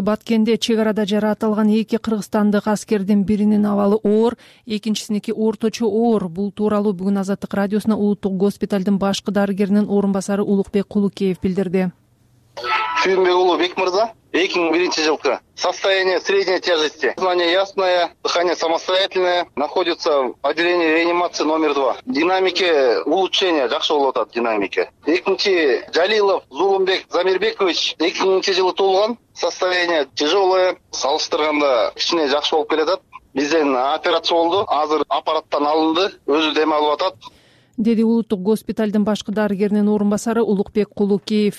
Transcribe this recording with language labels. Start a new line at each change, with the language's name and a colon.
Kyrgyz: Баткенде чек арада жаратылган эки кыргызстандык аскердин биринин абалы оор, экинчисиники орточо оор. Бул тууралуу бүгүн Азаттык радиосуна улуттук госпиталдын башкы дарыгеринин орун басары Улукбек Кулукеев билдирди. Сүйүнбек уулу Бекмырза, 2001 жылкы.
Russian: Состояние средней тяжести. Сознание ясное, дыхание самостоятельное. Находится в отделении реанимации номер 2. Динамики улучшения,
Kyrgyz: жакшы болуп атат
Russian: динамики.
Kyrgyz: Экинчи Жалилов Зулумбек Замирбекович, 2000 жылы туулган.
Russian: Состояние тяжелое,
Kyrgyz: салыштырганда кичине жакшы болуп келатат. Бизден операция болду, азыр аппараттан алынды, өзү дем алып атат. Деди улуттук госпиталдын башкы дарыгеринин орун басары Улукбек Кулукеев.